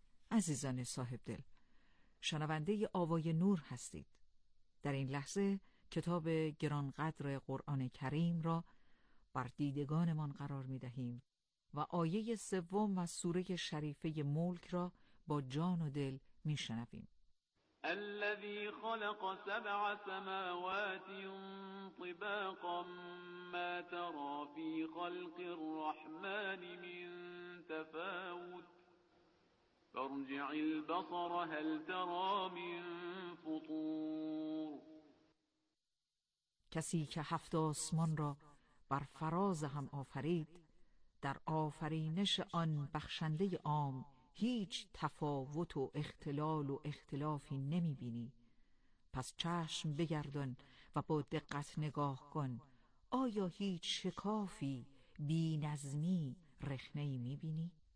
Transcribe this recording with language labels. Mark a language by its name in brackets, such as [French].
[Persian] عزیزان صاحب دل، شنونده ی آوای نور هستید. در این لحظه کتاب گرانقدر قرآن کریم را بر دیدگانمان قرار می دهیم و آیه سوم و سوره شریفه ملک را با جان و دل می شنویم. [Arabic] الذي خلق سبع سماوات طباقا، ما ترى في خلق الرحمن من تفاوت، فارجع البصر هل ترى من فطور. [Persian] کسی که هفت آسمان را بر فراز هم آفرید، در آفرینش آن بخشنده عام هیچ تفاوت و اختلال و اختلافی نمی بینی، پس چشم بگردان و با دقت نگاه کن، آیا هیچ شکافی بی نظمی رخنه ای می بینی؟